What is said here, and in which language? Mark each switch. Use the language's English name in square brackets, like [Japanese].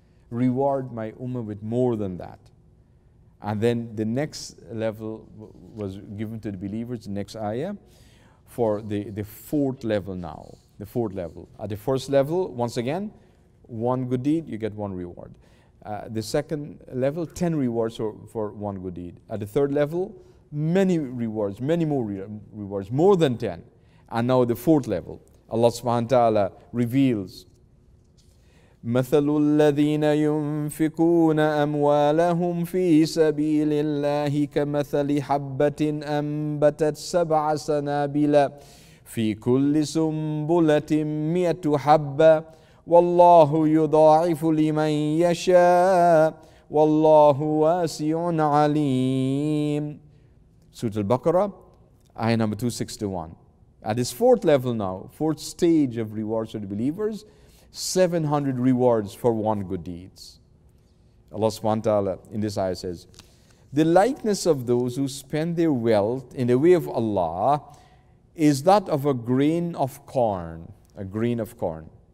[English] Reward my ummah with more than that. And then the next level was given to the believers, the next ayah, for the fourth level now. The fourth level. At the first level, once again, one good deed, you get one reward. The second level, 10 rewards for one good deed. At the third level, many rewards, many more rewards, more than 10. And now the fourth level, Allah subhanahu wa ta'ala reveals, [Arabic] مَثَلُ الَّذِينَ يُنْفِقُونَ أَمْوَالَهُمْ فِي سَبِيلِ اللَّهِ كَمَثَلِ حَبَّةٍ أَنْبَتَتْ سَبْعَ سَنَابِلَ فِي كُلِّ سُنْبُلَةٍ مِئَةُ حَبَّةٍ وَاللَّهُ يُضَاعِفُ لِمَنْ يَشَاءُ وَاللَّهُ وَاسِعٌ عَلِيمٌ. [English] Surah Al-Baqarah, ayah number 261. At this fourth level now, fourth stage of rewards for the believers, 700 rewards for one good deed. Allah subhanahu wa ta'ala in this ayah says, the likeness of those who spend their wealth in the way of Allah is that of a grain of corn, a grain of corn.